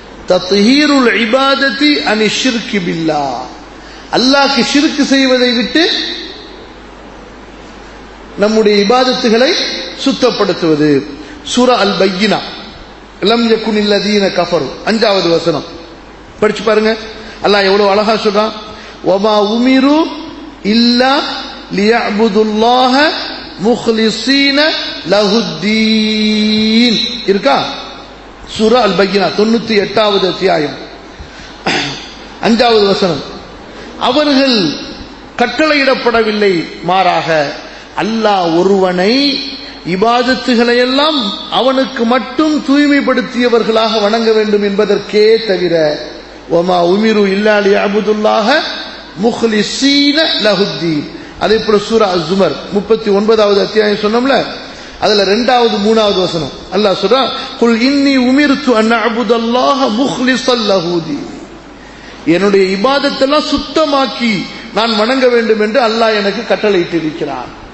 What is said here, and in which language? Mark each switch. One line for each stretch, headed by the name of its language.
Arabic: தத்ஹீருல் இபாதத்தி அனி ஷிர்க் பில்லாஹ்.
Tamil: அல்லாஹ்க்கு ஷிர்க் செய்வதை விட்டு நம்முடைய இபாதத்துகளை சுத்தப்படுத்துவது. சூரா அல் பையினா லம் யகுன் அல்லதீன கஃபரு 5வது வசனம் படிச்சு பாருங்க. அல்லாஹ் எவ்வளவு அழகா சொல்றான்,
Arabic: وَمَا أُمِرُوا إِلَّا لِيَعْبُدُوا اللَّهَ مُخْلِصِينَ لَهُ الدِّينَ.
Tamil: இருக்கா? சூரா அல் பக்கினா 98வது அத்தியாயம் 5வது வசனம். அவர்கள் கட்டளையிடப்படவில்லை, மாறாக அல்லாஹ் ஒருவனை இபாதத்துகளையெல்லாம் அவனுக்கு மட்டும் தூய்மைப்படுத்தியவர்களாக வணங்க வேண்டும் என்பதற்கே தவிர.
Arabic: وَمَا أُمِرُوا إِلَّا لِيَعْبُدُوا اللَّهَ
Tamil: முஹ்லிசீன லஹுதீன். அதே போல சூரா அஸ்-ஸுமர் 39வது அத்தியாயம் சொன்னோம்ல, அதுல 2வது 3வது வசனம் அல்லாஹ் சொல்றான்,
Arabic: குல் இன்னி உமிர்த்து அன் அஅபுதல்லாஹ முஹ்லிஸல் லஹுதீன்.
Tamil: என்னுடைய இபாதத்தை எல்லாம் சுத்தமாக்கி நான் வணங்க வேண்டும் என்று அல்லாஹ் எனக்கு கட்டளையிட்டிருக்கிறான்.